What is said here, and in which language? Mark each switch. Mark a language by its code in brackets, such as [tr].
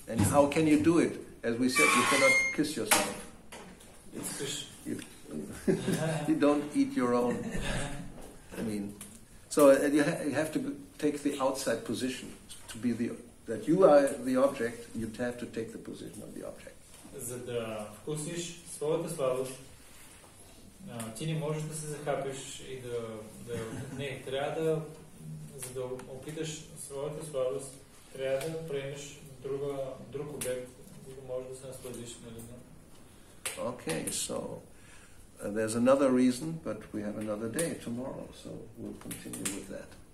[en] And how can you do it? As we said, you cannot kiss yourself. You don't eat your own. I mean, so you have to take the outside position to be the that you are the object. You have to take the position of the object. [bg] За да вкусиш своята сладост, ти не можеш да се захапиш и да не трябва да за да опиташ своята сладост, трябва да приемеш друг обект, който можеш да се насладиш, нали? [en] Okay, so there's another reason, but we have another day tomorrow, so we'll continue with that.